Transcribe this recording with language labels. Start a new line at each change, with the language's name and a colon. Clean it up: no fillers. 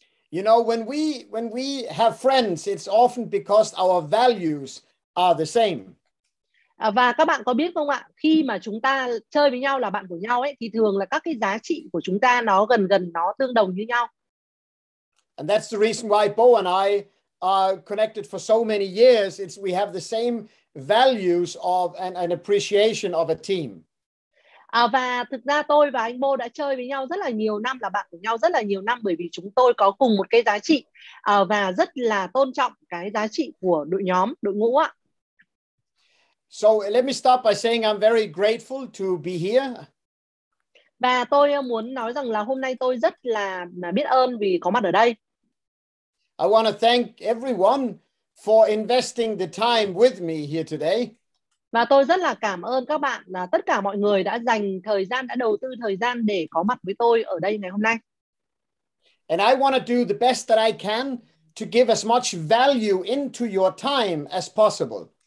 English: You know, when we have friends, it's often because our values are the same.
Vietnamese: Và các bạn có biết không ạ, khi mà chúng ta chơi với nhau là bạn của nhau ấy, thì thường là các cái giá trị của chúng ta nó gần nó tương đồng như nhau.
English: And that's the reason why Bo and I are connected for so many years. It's we have the same values of an appreciation of a team.
Vietnamese: Và thực ra tôi và anh Bo đã chơi với nhau rất là nhiều năm, là bạn của nhau rất là nhiều năm, bởi vì chúng tôi có cùng một cái giá trị và rất là tôn trọng cái giá trị của đội nhóm, đội ngũ ạ.
English: So let me start by saying I'm very grateful to be here.
Vietnamese: Và tôi muốn nói rằng là hôm nay tôi rất là biết ơn vì có mặt ở đây.
English: I want to thank everyone for investing the time with me here today.
Vietnamese: Và tôi rất là cảm ơn các bạn, là tất cả mọi người đã dành thời gian, đã đầu tư thời gian để có mặt với tôi ở đây ngày hôm nay.
English: And I want to do the best that I can to give as much value into your time as possible.